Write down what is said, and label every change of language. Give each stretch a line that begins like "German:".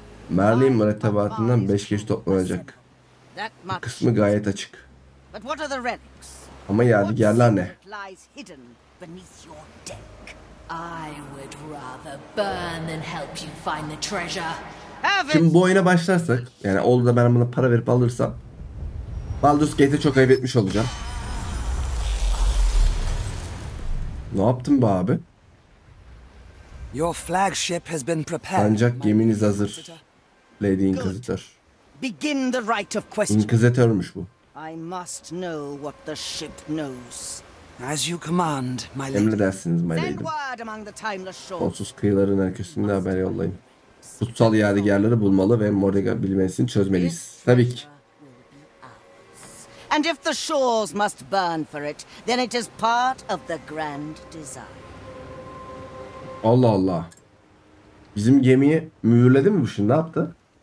Turkish: Merlin mürettebatından 5 kişi toplanacak. Kısmı gayet açık.
English: But what are the relics?
Turkish: Ama yadigarlar ne?
English: Beneath your deck. I would rather burn than help you find the treasure.
Turkish: Şimdi bu oyuna başlarsak, yani oldu da ben buna para verip alırsam Baldur's Gate'e çok ayıp etmiş olacağım. Ne yaptın be abi?
English: Your flagship has been prepared.
Turkish: Ancak geminiz hazır. Lady Inquisitor.
English: Begin the rite of question.
Turkish: Inquisitor'muş bu.
English: I must know what the ship knows. As you command, my lady.
Turkish: Emredersiniz
English: my lady.
Turkish: Sonsuz kıyıların herkesinde haber yollayın. Kutsal yadigarları bulmalı ve Mordecai bilmesini çözmeliyiz. Tabii ki.
English: And if the shores must burn for it, then it is part of the grand design.
Turkish: Allah Allah. Bizim gemiyi mühürledi mi bu şimdi? Ne yaptı?